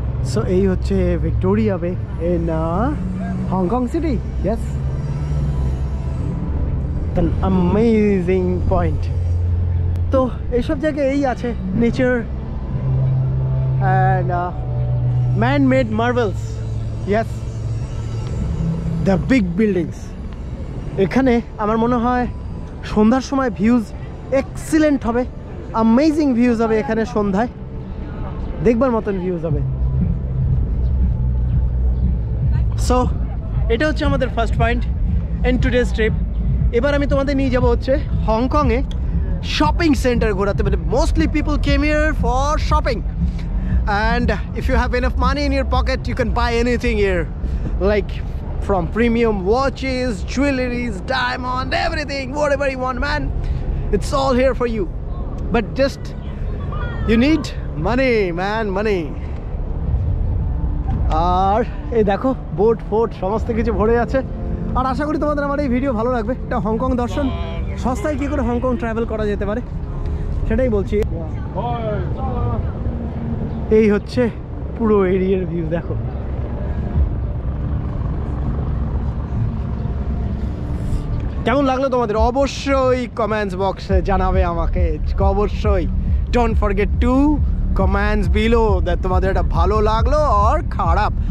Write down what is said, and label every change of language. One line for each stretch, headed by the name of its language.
English: so
Bangla: এই হচ্ছে
English: Victoria bay in Hong Kong city, yes than amazing point.
Bangla: তো এইসব জায়গায় এই আছে
English: Nature and man-made marvels, yes, the big buildings.
Bangla: এখানে আমার মনে হয় সন্ধ্যার সময় ভিউজ এক্সিলেন্ট হবে, অ্যামেজিং ভিউজ হবে এখানে সন্ধ্যায়, দেখবার মতন ভিউজ হবে।
English: so
Bangla: এটা হচ্ছে আমাদের
English: First point in today's trip.
Bangla: এবার আমি তোমাদের নিয়ে যাবো হচ্ছে হংকংয়ে শপিং সেন্টার ঘোরাতে, মানে
English: Mostly people came here for shopping, and if you have enough money in your pocket you can buy anything here, like from premium watches, jewelries, diamond, everything, whatever you want, man, it's all here for you, but just you need money, man, money.
Bangla: আর এই দেখো boat ফোট সমস্ত কিছু ভরে আছে। আর আশা করি তোমাদের আমার এই ভিডিও ভালো লাগবে। এটা হংকং দর্শন, সস্তায় কি করে হংকং ট্রাভেল করা যেতে পারে সেটাই বলছি। এই হচ্ছে পুরো এরিয়ার ভিউ দেখো, কেমন লাগলো তোমাদের অবশ্যই কমেন্টস বক্সে জানাবে আমাকে, অবশ্যই
English: don't forget to comments below that
Bangla: তোমাদের এটা ভালো লাগলো আর খারাপ।